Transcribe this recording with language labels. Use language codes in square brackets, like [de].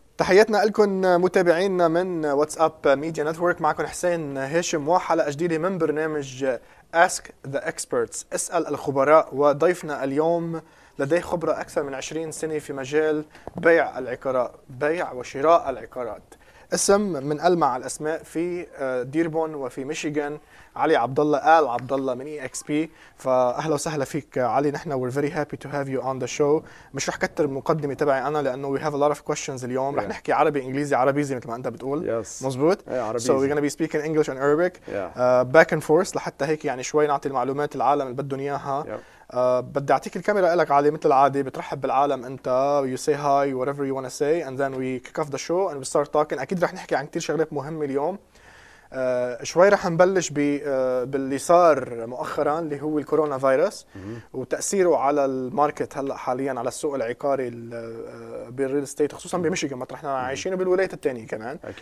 [ar] تحياتنا لكم متابعينا من واتساب ميديا نتورك، معكم حسين هاشم وحلقة جديدة من برنامج Ask the Experts، اسأل الخبراء. وضيفنا اليوم لديه خبرة أكثر من 20 سنة في مجال بيع العقارات، بيع وشراء العقارات، اسم من ألمع الأسماء في ديربون وفي ميشيغان، علي عبد الله آل عبد الله من EXP. فأهلا وسهلا فيك علي، نحن [en] we're very happy to have you on the show. [ar] مش رح كتر المقدمة تبعي أنا لأنه [en] we have a lot of questions [ar] اليوم. رح نحكي عربي إنجليزي عربيزي مثل ما أنت بتقول. مزبوط. عربيزي. [en] So we're gonna be speaking English and Arabic back and forth [ar] لحتى هيك يعني شوي نعطي المعلومات العالم اللي بدهم إياها. بدي أعطيك الكاميرا إلك علي مثل العادة، بترحب بالعالم أنت، [en] you say hi whatever you wanna say and then we kick off the show and we start talking. [ar] أكيد رح نحكي عن كتير شغلات مهمة اليوم. شوي رح نبلش باللي صار مؤخرا اللي هو الكورونا فيروس وتأثيره على الماركت هلأ حاليا على السوق العقاري بالريل استيت خصوصا بميشيغان مطرح نحن عايشين وبالولايات التانية كمان.